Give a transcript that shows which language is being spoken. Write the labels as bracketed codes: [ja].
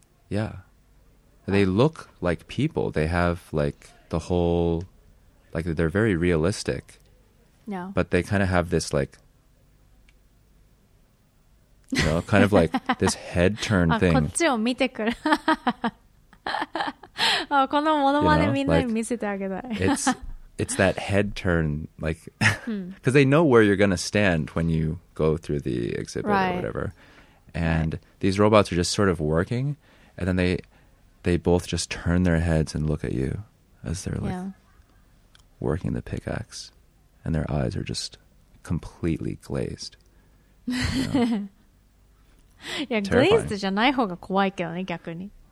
[en] Yeah. They look like people. They have like the whole like they're very realistic. No. But they kind of have this like you know, kind of like this head turn thing. [ja] こっちを見てくる。あ、このモノマネみんなに見せてあげたい。 [en] It's that head turn, like, because they know where you're going to stand when you go through the exhibit or whatever. And these robots are just sort of working, and then they both just turn their heads and look at you as they're like working the pickaxe, and their eyes are just completely glazed. [ja] いや、グレイズじゃない方が怖いけどね、逆に。